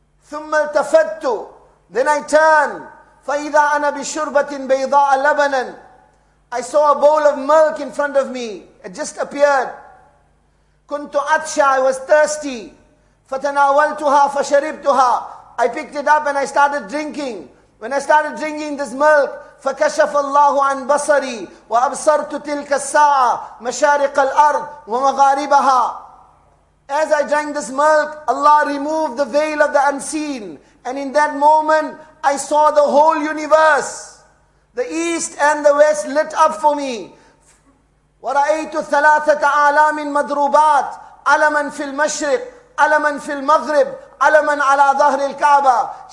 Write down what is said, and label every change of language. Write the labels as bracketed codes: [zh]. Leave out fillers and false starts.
[ar] ثُمَّ الْتَفَتْتُ. [en] Then I turned. [ar] فَإِذَا أَنَا بِشُرْبَةٍ بَيْضَاءَ لَبَنًا. [en] I saw a bowl of milk in front of me. It just appeared. [ar] كُنْتُ أَتْشَى. [en] I was thirsty. [ar] فَتَنَاوَلْتُهَا فَشَرِبْتُهَا. [en] I picked it up and I started drinking. When I started drinking this milk, [ar] فَكَشَفَ اللَّهُ عَنْ بَصَرِي وَأَبْصَرْتُ تِلْكَ السَّاعَ مَشَارِقَ الْأَرْضِ وَمَغَارِبَهَا. [en] As I drank this milk, Allah removed the veil of the unseen. And in that moment, I saw the whole universe. The east and the west lit up for me. [ar] وَرَأَيْتُ ثَلَاثَةَ أَعْلَامٍ مَضْرُوبَاتٍ عَلَمًا فِي الْمَشْرِقِ عَلَمًا فِي الْمَغْرِبِ عَلَمًا عَلَىٰ ظَهْرِ الْكَعْبَةِ.